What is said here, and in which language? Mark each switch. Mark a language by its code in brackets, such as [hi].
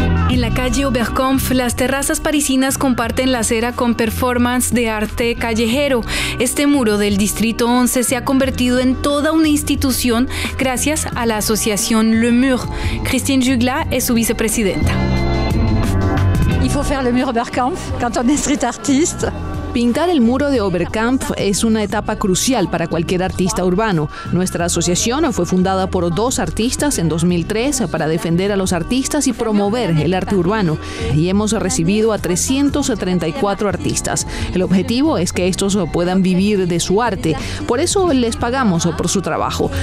[es] En la calle Oberkampf, las terrazas parisinas comparten la acera con performance de arte callejero. Este muro del Distrito 11 se ha convertido en toda una institución gracias a la asociación Le Mur. Christine Jugla es su vicepresidenta. [fr] Il faut faire le mur Oberkampf quand on est street artiste. [es] Pintar el muro de Oberkampf es una etapa crucial para cualquier artista urbano. Nuestra asociación fue fundada por 2 artistas en 2003 para defender a los artistas y promover el arte urbano. Y hemos recibido a 334 artistas. El objetivo es que estos puedan vivir de su arte. Por eso les pagamos por su trabajo.